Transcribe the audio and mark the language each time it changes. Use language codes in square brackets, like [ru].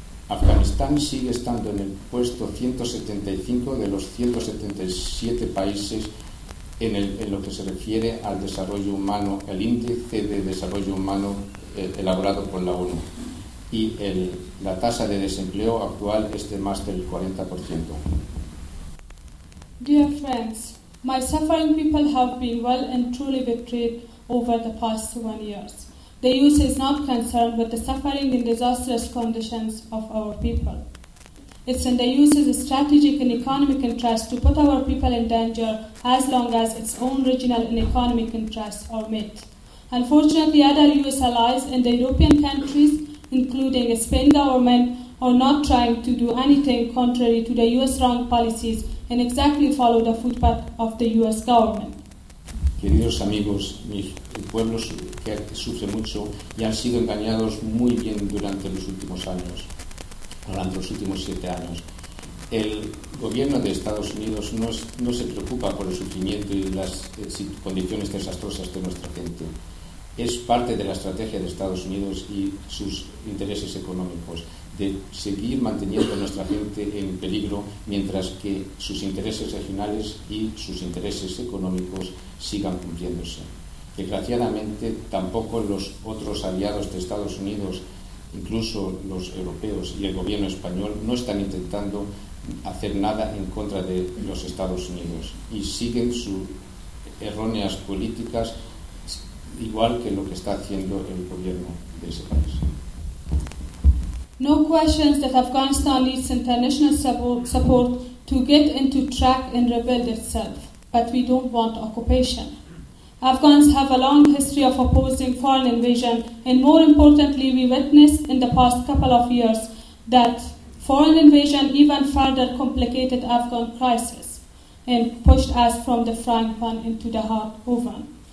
[es] Afganistán sigue estando en el puesto 175 de los 177 países en lo que se refiere al desarrollo humano, el índice de desarrollo humano elaborado por la ONU. Y la tasa de desempleo actual es de más del 40%. [en] Dear friends, my suffering people have been well and truly betrayed over the past 1 year. The U.S. is not concerned with the suffering and disastrous conditions of our people. It's in the U.S.'s strategic and economic interest to put our people in danger as long as its own regional and economic interests are met. Unfortunately, other U.S. allies and the European countries, including Spain government, are not trying to do anything contrary to the U.S. wrong policies and exactly follow the footpath of the U.S. government. [es] Queridos amigos, mi pueblo que sufre mucho y han sido engañados muy bien durante los últimos 7 años. El gobierno de Estados Unidos no se preocupa por el sufrimiento y las condiciones desastrosas de nuestra gente. Es parte de la estrategia de Estados Unidos y sus intereses económicos de seguir manteniendo a nuestra gente en peligro mientras que sus intereses regionales y sus intereses económicos sigan cumpliéndose. Desgraciadamente, tampoco los otros aliados de Estados Unidos, incluso los europeos y el gobierno español, no están intentando hacer nada en contra de los Estados Unidos y siguen sus erróneas políticas, igual que lo que está haciendo el gobierno de ese país. [en] No questions that Afghanistan needs international support to get into track and rebuild itself, but we don't want occupation. Afghans have a long history of opposing foreign invasion, and more importantly, we witnessed in the past couple of years that foreign invasion even further complicated Afghan crisis and pushed us from the frying pan into the hot oven.